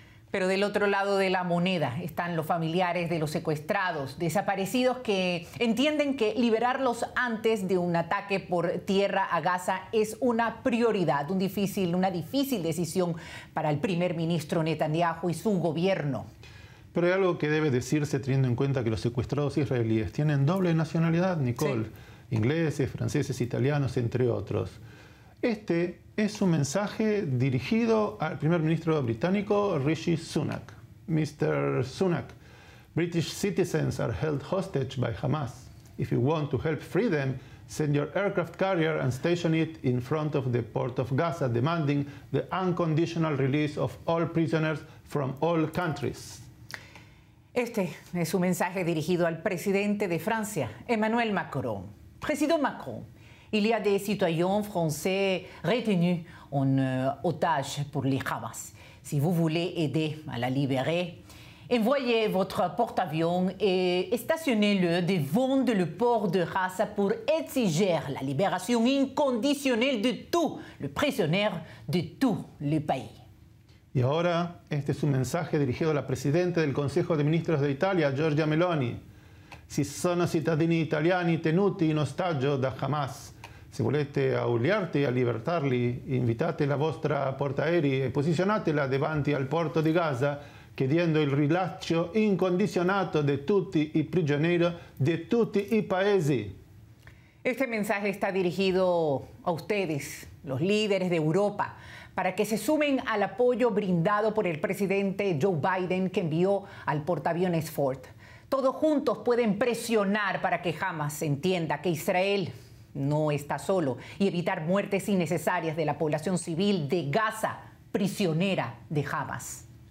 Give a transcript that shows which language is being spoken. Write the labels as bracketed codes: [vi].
[es] Pero del otro lado de la moneda están los familiares de los secuestrados, desaparecidos, que entienden que liberarlos antes de un ataque por tierra a Gaza es una prioridad, una difícil decisión para el primer ministro Netanyahu y su gobierno. Pero hay algo que debe decirse teniendo en cuenta que los secuestrados israelíes tienen doble nacionalidad, Nicole. Sí. Ingleses, franceses, italianos, entre otros. Este es un mensaje dirigido al primer ministro británico Rishi Sunak. [en] Mr. Sunak, British citizens are held hostage by Hamas. If you want to help free them, send your aircraft carrier and station it in front of the port of Gaza, demanding the unconditional release of all prisoners from all countries. [es] Este es un mensaje dirigido al presidente de Francia, Emmanuel Macron. Presidente Macron. [fr] Il y a des citoyens français retenus en otage pour les Hamas. Si vous voulez aider à la libérer, envoyez votre porte-avions et stationnez-le devant le port de Gaza pour exiger la libération inconditionnelle de tous les prisonniers de tout le pays. [es] Et ahora, este es un mensaje dirigido a la presidente del Consejo de Ministros de Italia, Giorgia Meloni. [it] Si sono cittadini italiani tenuti in ostaggio da Hamas, se volete auliarti a libertarli, invitate la vostra portaerei e posizionatela davanti al porto di Gaza, chiedendo il rilascio incondizionato di tutti i prigionieri di tutti i paesi. [es] Este mensaje está dirigido a ustedes, los líderes de Europa, para que se sumen al apoyo brindado por el presidente Joe Biden, que envió al portaaviones Ford. Todos juntos pueden presionar para que Hamas se entienda que Israel no está solo y evitar muertes innecesarias de la población civil de Gaza, prisionera de Hamas.